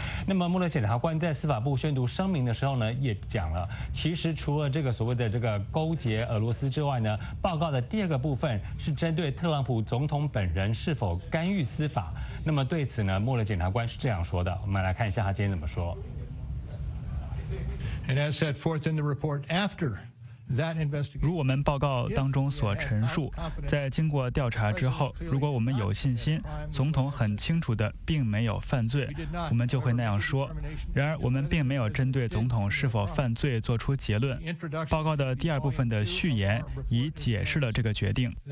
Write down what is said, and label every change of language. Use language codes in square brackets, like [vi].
[zh] 那么穆勒检察官在司法部宣读声明的时候呢，也讲了，其实除了这个所谓的这个勾结俄罗斯之外呢，报告的第二个部分是针对特朗普总统本人是否干预司法。那么对此呢，穆勒检察官是这样说的，我们来看一下他今天怎么说。 [en] And as set forth in the report after that investigation, [zh] 如我们报告当中所陈述，在经过调查之后，如果我们有信心，总统很清楚的并没有犯罪，我们就会那样说。然而，我们并没有针对总统是否犯罪做出结论。报告的第二部分的序言已解释了这个决定。